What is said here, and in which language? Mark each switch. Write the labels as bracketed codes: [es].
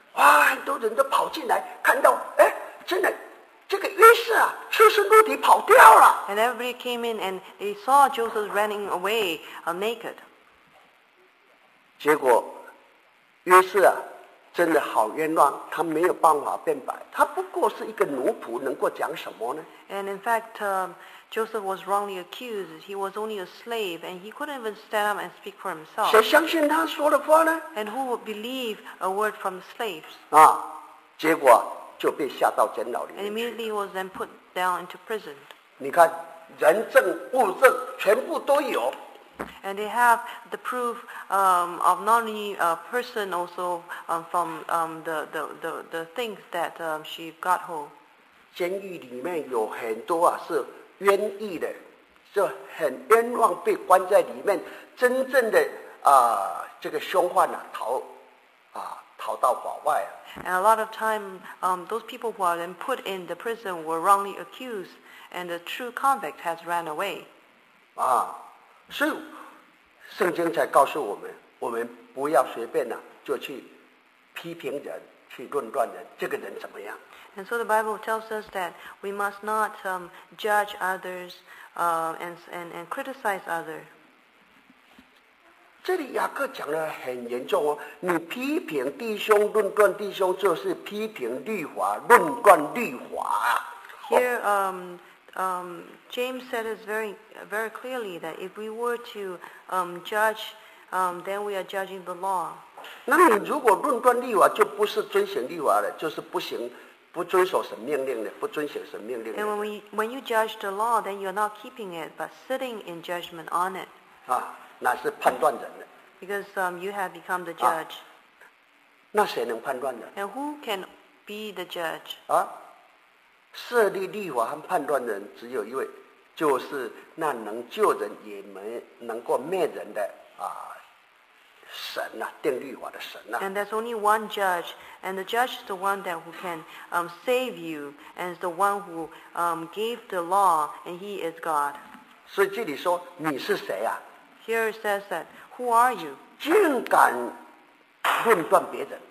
[zh] 哇，很多人都跑进来，看到，哎，真的。这个约瑟啊，赤身露体跑掉了。 [en] And everybody came in and they saw Joseph running away, naked. [zh] 结果，约瑟啊，真的好冤枉，他没有办法辩白，他不过是一个奴仆，能够讲什么呢 [en] ？And in fact, Joseph was wrongly accused. He was only a slave, and he couldn't even stand up and speak for himself. [zh] 谁相信他说的话呢 [en] ？And who would believe a word from the slaves? [zh] 啊，结果。就被下到监牢里面去。 [en] And immediately was then put down into prison. [zh] 你看，人证物证全部都有。 [en] And they have the proof of not only a person also from the things that she got hold. [zh] 监狱里面有很多啊是冤狱的，是很冤枉被关在里面，真正的这个凶犯啊逃啊。逃到法外啊。 [en] And a lot of time, those people who are then put in the prison were wrongly accused, and the true convict has ran away. [zh] 啊，所以圣经才告诉我们，我们不要随便呢、啊、就去批评人，去论断人，这个人怎么样。 [en] And so the Bible tells us that we must not judge others and criticize others. [zh] 这里雅各讲的很严重哦，你批评弟兄，论断弟兄，就是批评律法，论断律法。 [en] Here, James said it very, very clearly that if we were to judge, then we are judging the law. [zh] 那你如果论断律法，就不是遵循律法了，就是不行。不遵守神命令的，不遵守神命令的。 [en] And when you judge the law, then you're not keeping it, but sitting in judgment on it. [zh] 啊，那是判断人的。 [en] Because you have become the judge.、 [zh] 啊、那谁能判断人 [en] ？And who can be the judge? [zh] 啊，设立律法和判断人只有一位，就是那能救人也没能够灭人的啊。神啊，定律法的神啊。 [en] And there's only one judge, and the judge is the one that who can save you, and is the one who gave the law, and he is God. [zh] 所以这里说你是谁啊 [en] ？Here it says that who are you? [zh] 竟敢论断别人